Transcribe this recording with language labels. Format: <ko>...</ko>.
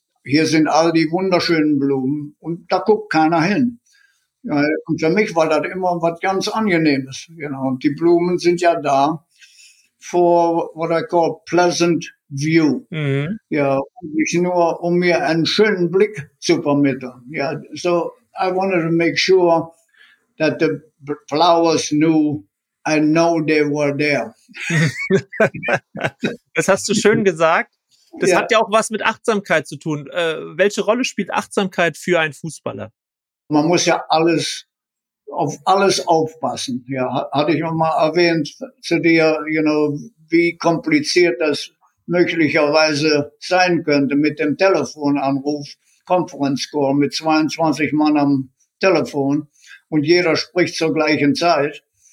<de>Hier sind all die wunderschönen Blumen und da guckt keiner hin. Ja, und für mich war das immer was ganz Angenehmes. You know? Und die Blumen sind ja da</de> <en>for what I call pleasant view.</en> <de>Ja, nicht nur, um mir einen schönen Blick zu vermitteln.</de> <en>Ja, so I wanted to make sure that the flowers knew I know they were there.</en> <de>Das hast du schön gesagt. Das hat ja auch was mit Achtsamkeit zu tun. Welche Rolle spielt Achtsamkeit für einen Fußballer? Man muss ja auf alles aufpassen. Ja, hatte ich noch mal erwähnt zu dir, you know, wie kompliziert das möglicherweise sein könnte mit dem Telefonanruf, Conference Call mit 22 Mann am Telefon und jeder spricht zur gleichen Zeit.</de>